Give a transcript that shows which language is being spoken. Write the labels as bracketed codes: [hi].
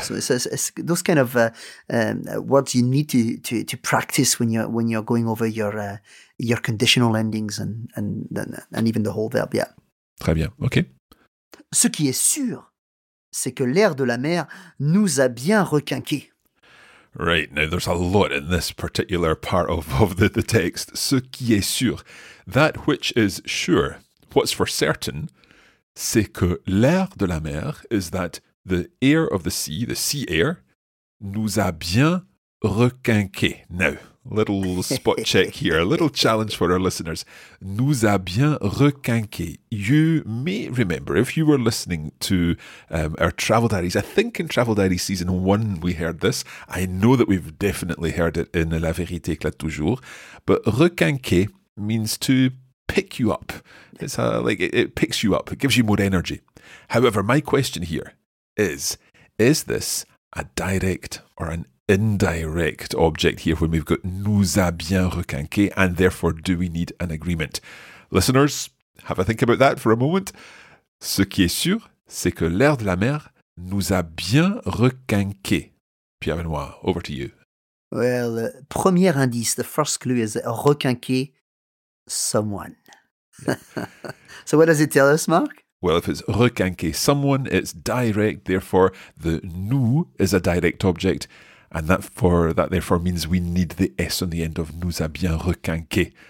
[en] So it's those kind of words you need to practice when you're going over your conditional endings and even the whole verb. Yeah. [fr] Très bien. OK. Ce qui est sûr, c'est que l'air de la mer nous a bien requinqué. [en] Right. Now, there's a lot in this particular part of the text. [fr] Ce qui est sûr. [en] That which is sure. What's for certain, [fr] c'est que l'air de la mer [en] is that the air of the sea air, [fr] nous a bien requinqué. [en] Now, little spot check here, a little challenge for our listeners. [fr] Nous a bien requinqué. [en] You may remember, if you were listening to our travel diaries, I think in travel diaries season one we heard this. I know that we've definitely heard it in La Vérité éclate toujours. But requinqué means to pick you up. It's it picks you up. It gives you more energy. However, my question here is this a direct or an indirect object here when we've got [fr] nous a bien requinqué [en] and therefore do we need an agreement? Listeners, have a think about that for a moment. [fr] Ce qui est sûr, c'est que l'air de la mer nous a bien requinqué. [en] Pierre Benoît, over to you. Well, [fr] premier indice, [en] the first clue is requinqué someone. Yeah. So what does it tell us, Mark? Well, if it's requinqué someone, it's direct. Therefore, the nous is a direct object. And that therefore means we need the S on the end of [fr] nous a bien requinqué.